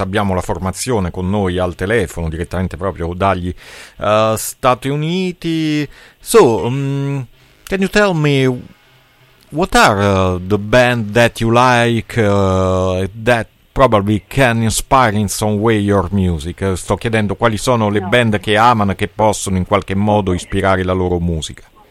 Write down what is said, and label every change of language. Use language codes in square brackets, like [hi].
[it] Abbiamo la formazione con noi al telefono, direttamente proprio dagli Stati Uniti. [en] So, can you tell me what are the band that you like that probably can inspire in some way your music? [it] Sto chiedendo quali sono le band che amano, che possono in qualche modo ispirare la loro musica.